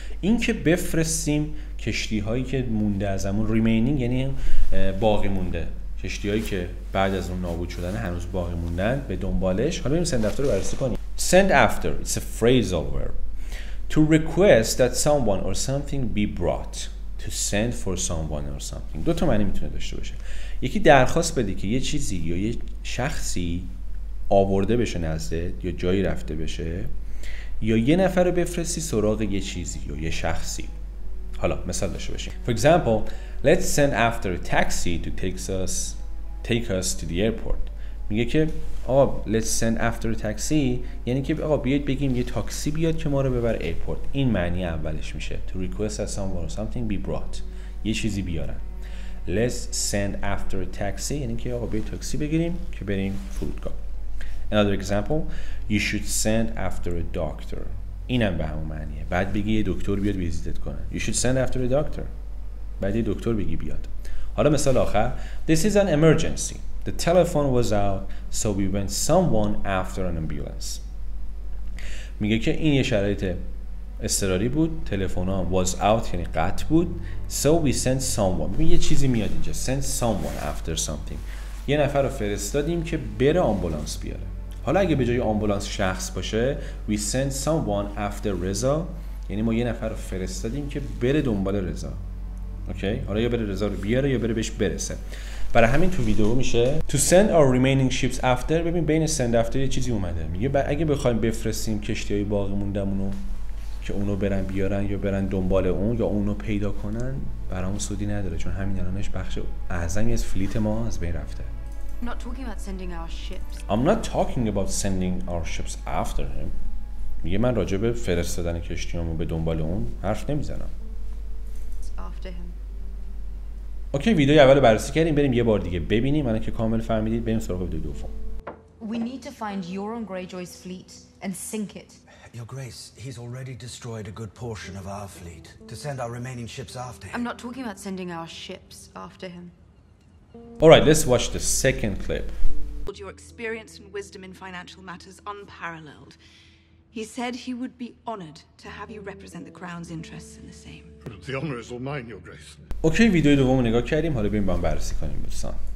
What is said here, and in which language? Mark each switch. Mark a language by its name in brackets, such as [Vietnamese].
[Persian] این که بفرستیم کشتی هایی که مونده از همون remaining یعنی باقی مونده. کشتی هایی که بعد از اون نابود شدن هنوز باقی موندن به دنبالش. حالا بریم send after رو بررسی کنیم. [English] Send after. It's a phrasal verb. To request that someone or something be brought. To send for someone or something. [Persian] دو تا معنی میتونه داشته باشه. یکی درخواست بده که یه چیزی یا یه شخصی آورده بشه نزدت یا جایی رفته بشه یا یه نفر رو بفرستی سراغ یه چیزی یا یه شخصی. حالا مثال داشته باشیم. [English] For example, let's send after a taxi to take us to the airport. [Persian] میگه که آقا [English] let's send after a taxi [Persian] یعنی که آقا بیاید بگیم یه تاکسی بیاد که ما رو ببر ایرپورت. این معنی اولش میشه. [English] To request that someone or something be brought. [Persian] یه چیزی بیارن. [English] Let's send after a taxi [Persian] یعنی که آقا بیاید تاکسی بگیریم که بریم فرودگاه. [English] Another example, you should send after a doctor. [Persian] اینم به همون معنیه. بعد بگی یه دکتر بیاد ویزیتت کنه. [English] You should send after a doctor. [Persian] بعد یه دکتر بگی بیاد. حالا مثال آخر. [English] This is an emergency. The telephone was out, so we went someone after an ambulance. [Persian] میگه که این یه شرایط اضطراری بود. تلفن ها was out یعنی قطع بود. [English] So we sent someone. [Persian] یه چیزی میاد اینجا. [English] Send someone after something. [Persian] یه نفر رو فرستادیم که بره آمبولانس بیاره. حالا اگه به جای آمبولانس شخص باشه [English] we send someone after [Persian] رضا یعنی ما یه نفر رو فرستادیم که بره دنبال رضا. اوکی؟ حالا یا بره رضا رو بیاره یا بره بهش برسه. برای همین تو ویدیو میشه [English] to send our remaining ships after. [Persian] ببین بین send after یه چیزی اومده. میگه اگه بخوایم بفرستیم کشتی‌های باقی موندهمونو که اونو برن بیارن یا برن دنبال اون یا اونو پیدا کنن برامون سودی نداره چون همین الانش بخش اعظمی از فلیت ما از بین رفته. [English] I'm not talking about sending our ships after him. [Persian] میگه من راجع به فرستادن کشتیامو به دنبال اون حرف نمیزنم. اوکی ویدیو اول بررسی کردیم بریم یه بار دیگه ببینیم الان که کامل فهمیدید بریم سراغ ویدیو دوم. [English] We need to find Euron Greyjoy's fleet and sink it. Your Grace, he's already destroyed a good portion of our fleet. To send our remaining ships after him. I'm not talking about sending our ships after him. All right, let's watch the second clip. Your experience and wisdom in financial matters unparalleled. He said he would be honored to have you represent the crown's interests in the same. The honor is all mine, Your Grace. [Persian] Okay, ویدیو دوم نگاه کردیم. حالا بریم با هم بررسی کنیم دوستان.